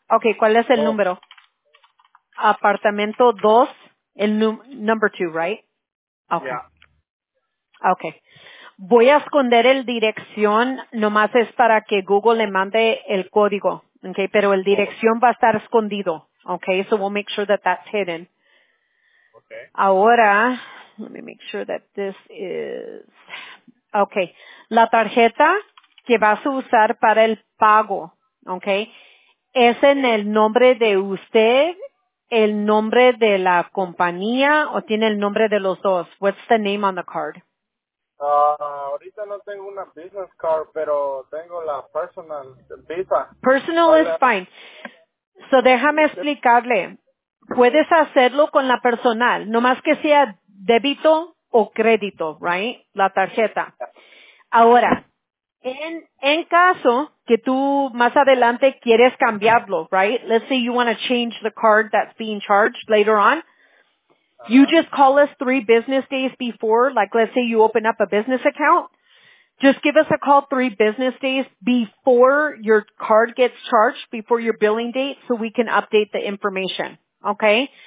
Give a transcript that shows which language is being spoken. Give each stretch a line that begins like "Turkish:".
Spanish: Okay, ¿cuál es el número? Apartamento 2, el number 2, right? Okay. Yeah. Okay. Voy a esconder el dirección, nomás es para que Google le mande el código, okay? Pero el dirección va a estar escondido, okay?
English: So we'll make sure that that's hidden. Okay. Ahora, let me make sure that this is...
Spanish: Okay, la tarjeta que vas a usar para el pago, okay, ¿es en el nombre de usted, el nombre de la compañía o tiene el nombre de los dos?
English: What's the name on the card?
Spanish: Ahorita no tengo una
English: business card,
Spanish: pero tengo la
English: personal visa. Personal is fine.
Spanish: So déjame explicarle. Puedes hacerlo con la personal, nomás que sea débito o crédito, right? La tarjeta. Ahora, en caso que tú más adelante quieres cambiarlo, right?
English: Let's say you want to change the card that's being charged later on. You just call us 3 business days before, like let's say you open up a business account. Just give us a call 3 business days before your card gets charged, before your billing date, so we can update the information, okay?